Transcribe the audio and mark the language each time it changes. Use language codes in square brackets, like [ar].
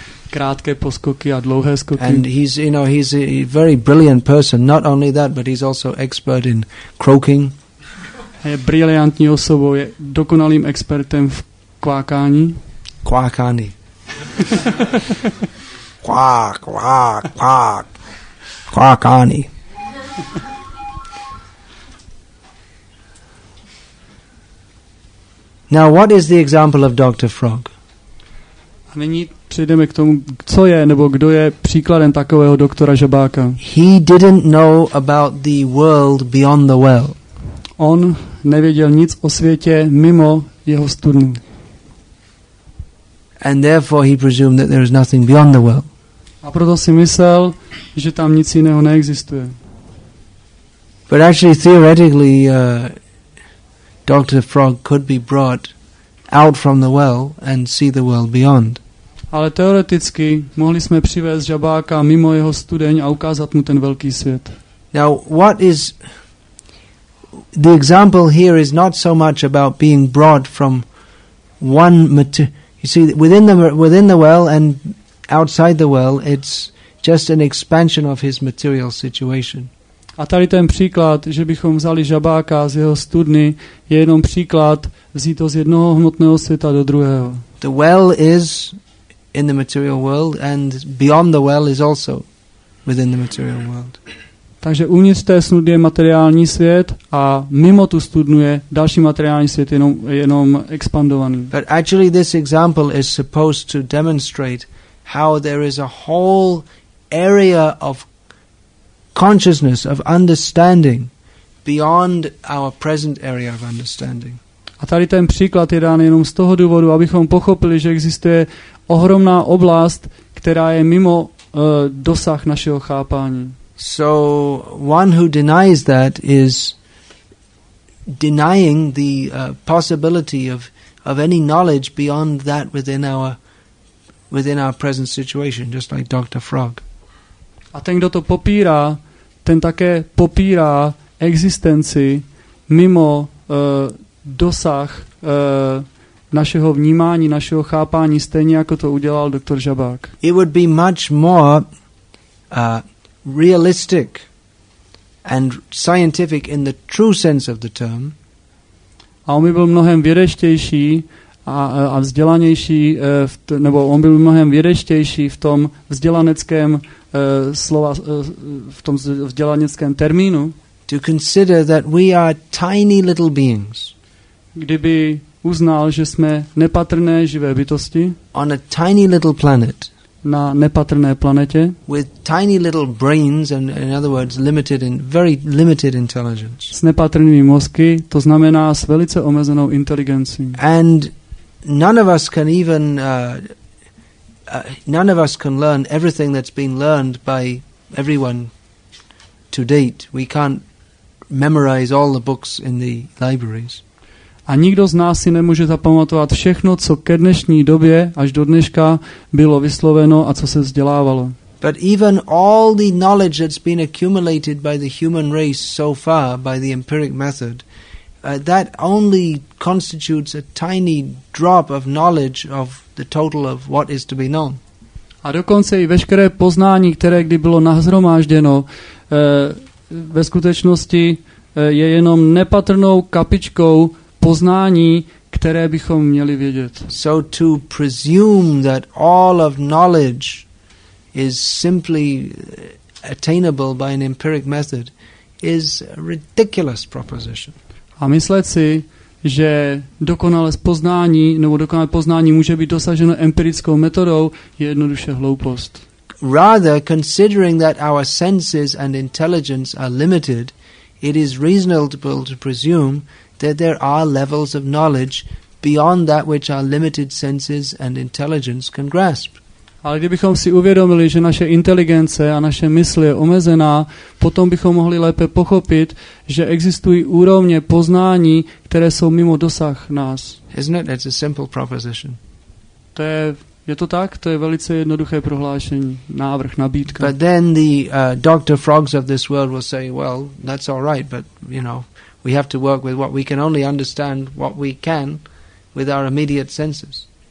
[cs] Krátké poskoky a dlouhé skoky. [en] And he's a very brilliant person. Not only that, but he's also expert in croaking. [cs] Je brilliantní osobou, je dokonalým expertem v kvákání. Quakani. Quak, quak, quak. Quakani. [en] Now, what is the example of Dr. Frog? [cs] A nyní přejdeme k tomu, co je nebo kdo je příkladem takového doktora Žabáka. [en] He didn't know about the world beyond the well. [cs] On nevěděl nic o světě mimo jeho studnu. [en] And therefore he presumed that there is nothing beyond the world. [cs] A proto si myslel, že tam nic jiného neexistuje. [en] But actually theoretically Dr. Frog could be brought out from the well and see the world beyond. [cs] Ale teoreticky mohli jsme přivést žabáka mimo jeho studeň a ukázat mu ten velký svět. [en] Now what is the example here is not so much about being brought from one you see within the well and outside the well, it's just an expansion of his material situation. [cs] A tady ten příklad, že bychom vzali žabáka z jeho studny, je jenom příklad vzít to z jednoho hmotného světa do druhého. [en] The well is in the material world and beyond the well is also within the material world. [cs] Takže uvnitř té studny je materiální svět a mimo tu studnu je další materiální svět jenom expandovaný. [en] But actually this example is supposed to demonstrate how there is a whole area of consciousness of understanding beyond our present area of understanding. [cs] A tady ten příklad je dán jenom z toho důvodu, abychom pochopili, že existuje ohromná oblast, která je mimo dosah našeho chápání. [en] So one who denies that is denying the possibility of any knowledge beyond that within our present situation, just like Dr. Frog. [cs] A ten, kdo to popírá, ten také popírá existenci mimo dosah našeho vnímání, našeho chápání, stejně jako to udělal doktor Žabák. [en] It would be much more realistic and scientific in the true sense of the term. [cs] A on by byl mnohem vědeštější a vzdělanější, nebo on by byl mnohem vědeštější v tom vzdělaneckém slova v tom vzdělaneckém termínu. [en] To consider that we are tiny little beings. [cs] Kdyby uznal, že jsme nepatrné živé bytosti. [en] On a tiny little planet. [cs] Na nepatrné planetě. [en] With tiny little brains and in other words limited in very limited intelligence. [cs] S nepatrnými mozky, to znamená s velice omezenou inteligencí. [en] And none of us can even none of us can learn everything that's been learned by everyone to date. We can't memorize all the books in the libraries. [cs] A nikdo z nás si nemůže zapamatovat všechno, co ke dnešní době až do dneška bylo vysloveno a co se vzdělávalo. [en] But even all the knowledge that's been accumulated by the human race so far by the empiric method, that only constitutes a tiny drop of knowledge of the total of what is to be known. [cs] A dokonce i veškeré poznání, které kdy bylo nahromážděno, ve skutečnosti je jenom nepatrnou kapičkou poznání, které bychom měli vědět. [en] So to presume that all of knowledge is simply attainable by an empiric method is a ridiculous proposition. [cs] A myslet si, že dokonalé poznání nebo dokonalé poznání může být dosaženo empirickou metodou, je jednoduše hloupost. [en] Rather, considering that our senses and intelligence are limited, it is reasonable to presume that there are levels of knowledge beyond that which our limited senses and intelligence can grasp. [cs] Ale kdybychom si uvědomili, že naše inteligence a naše mysl je omezená, potom bychom mohli lépe pochopit, že existují úrovně poznání, které jsou mimo dosah nás. [en] Isn't it? It's a simple proposition. [cs] Je to tak? To je velice jednoduché prohlášení, návrh, nabídka. [en] But then the Dr. Frogs of this world will say, well, that's all right, but you know, we have to work with what we can only understand what we can with our immediate senses.